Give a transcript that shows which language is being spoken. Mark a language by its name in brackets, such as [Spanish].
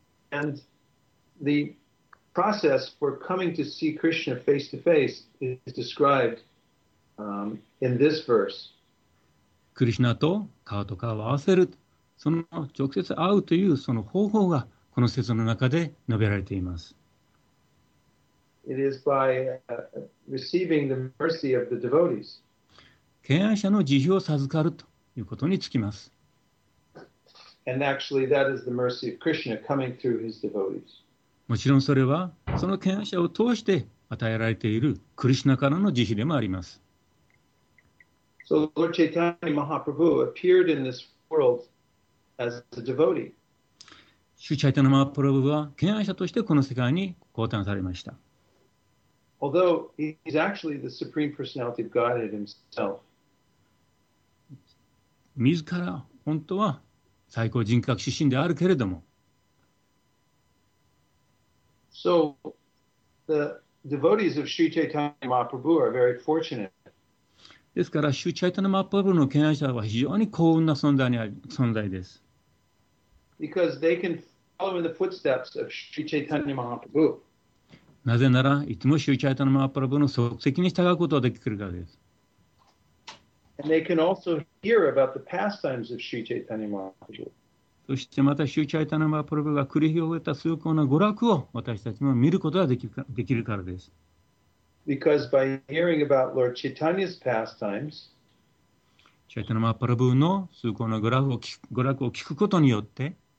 [English] And the process for coming to see Krishna face to face is described, in this verse. [Japanese] クリシナと顔と顔を合わせるその直接会うというその方法がこの説の中で述べられています。 [English] It is by receiving the mercy of the devotees. [Japanese] 敬愛者の慈悲を授かるということにつきます。 [English] And actually that is the mercy of Krishna coming through his devotees. [Japanese] もちろんそれはその敬愛者を通して与えられているクリシナからの慈悲でもあります。 [English] So Lord Chaitanya Mahaprabhu appeared in this world. As a devotee. [Japanese] シュチャイタナ・マハプラブは敬愛者としてこの世界に降誕されました。 [English] Although he's actually the Supreme Personality of Godhead himself. [Japanese] 自ら本当は最高人格出身であるけれども。 [English] So the devotees of Sri Chaitanya Mahaprabhu are very fortunate. [Japanese] ですからシュチャイタナ・マハプラブの敬愛者は非常に幸運な存在にある存在です。 [English] Because they can follow in the footsteps of Sri Chaitanya Mahaprabhu. [Japanese] なぜならいつもシュチャイタナ・マハプラブの足跡に従うことができるからです。 [English] And they can also hear about the pastimes of Sri Chaitanya Mahaprabhu. [Japanese] そしてまたシュチャイタナ・マハプラブが繰り広げた崇高な娯楽を私たちも見ることができるからです。 [English] Because by hearing about Lord Chaitanya's pastimes, [Japanese] シュチャイタナ・マハプラブの崇高な娯楽を聞くことによって、